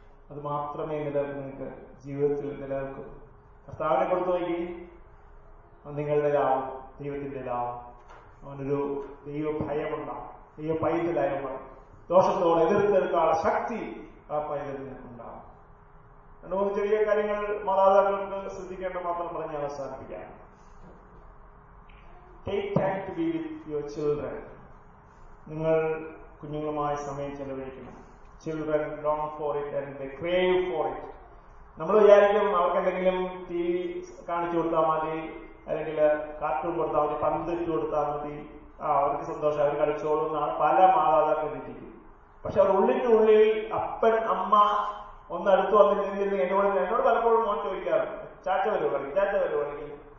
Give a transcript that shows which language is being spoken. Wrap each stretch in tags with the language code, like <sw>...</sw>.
<ml>അത് മാത്രമേ നിലനിൽക്കും, നിങ്ങൾക്ക് ജീവിതത്തിൽ നിലനിൽക്കും. കർത്താവിനെ കൊടുത്തു നോക്കി, നിങ്ങളുടെ ലാവും ദൈവത്തിന്റെ ലാവും. അവനൊരു ദൈവ ഭയമുണ്ടാവും, ദൈവ പൈതലായുമ്പോൾ ദോഷത്തോട് എതിർത്തെടുക്കാനുള്ള ശക്തി ആ പൈതലിന് ഉണ്ടാവും. രണ്ടു മൂന്ന് ചെറിയ കാര്യങ്ങൾ മാതാപിതാക്കൾക്ക് ശ്രദ്ധിക്കേണ്ട മാത്രം പറഞ്ഞ് അവസാനിപ്പിക്കാം.</ml> <en>Take time to be with your children.</en> <ml>നിങ്ങൾ കുഞ്ഞുങ്ങളുമായി സമയം ചെലവഴിക്കണം.</ml> <en>Children long for it and they crave for it.</en> <ml>നമ്മൾ വിചാരിക്കും അവർക്ക് എന്തെങ്കിലും ടി വി കാണിച്ചു കൊടുത്താൽ മതി, അല്ലെങ്കിൽ കാർട്ടൂൺ കൊടുത്താൽ മതി, പന്ത് ഇട്ട് കൊടുത്താൽ മതി, ആ അവർക്ക് സന്തോഷം, അവർ കളിച്ചോളൂ എന്നാണ് പല മാതാപിതാക്കളും. പക്ഷെ അവർ ഉള്ളിനുള്ളിൽ അപ്പൻ അമ്മ ഒന്ന് അടുത്ത് വന്നിട്ടില്ലെങ്കിൽ എന്നോട് പലപ്പോഴും മോൻ ചോദിക്കാറുണ്ട്, ചാച്ച വരുവോ കളി, ഇല്ലാത്ത വരുവാണെങ്കിൽ.</ml>